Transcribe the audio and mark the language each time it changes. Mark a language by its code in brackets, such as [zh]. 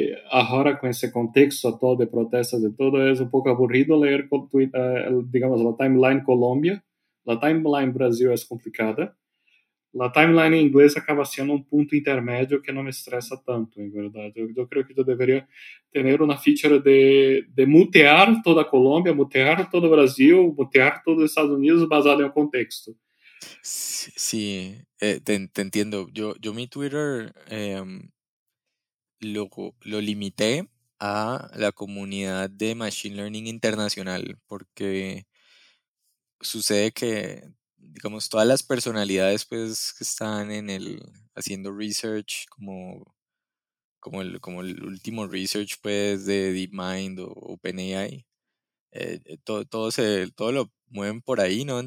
[es] Ahora con ese contexto todo de protestas y todo, es un poco aburrido leer, digamos, la timeline Colombia, [pt] La timeline Brasil é complicada. La timeline em inglês acaba sendo um ponto intermédio que não me estressa tanto, em verdade. Eu creio que eu deveria ter uma feature de mutear toda a Colômbia, mutear todo o Brasil, mutear todos os Estados Unidos, baseado em um contexto. Sim, sí, te entendo. Eu, meu Twitter, [es] lo limité a la comunidad de Machine Learning Internacional, porque sucede que, digamos, todas las personalidades pues que están en el haciendo research, como el último research pues de DeepMind o OpenAI, todo lo mueven por ahí, ¿no?